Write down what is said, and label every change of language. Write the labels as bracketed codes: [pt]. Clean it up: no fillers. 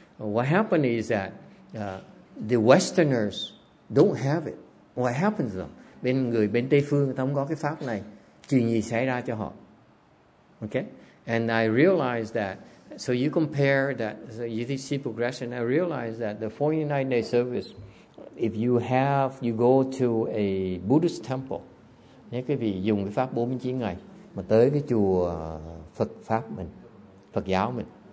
[en] What happened is that the Westerners don't have it. What happens to them? [vi] Bên người bên Tây phương người ta không có cái pháp này. Chuyện gì xảy ra cho họ? [en] Okay. And I realized that, so you compare that, so you see progression. I realized that the 49-day service, if you have, you go to a Buddhist temple. [vi] Nếu quý vị dùng cái pháp 49 ngày mà tới cái chùa Phật pháp mình, Phật giáo mình.